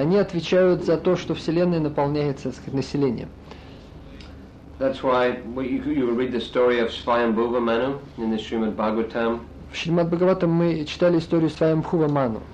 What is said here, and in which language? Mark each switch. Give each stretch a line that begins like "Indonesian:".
Russian: Они отвечают за то, что Вселенная наполняется, населением.
English: That's why you read the story of Svayambhuva Manu in the Srimad Bhagavatam.
Russian: В Шримад Бхагаватам мы читали историю Свайамбхува Ману.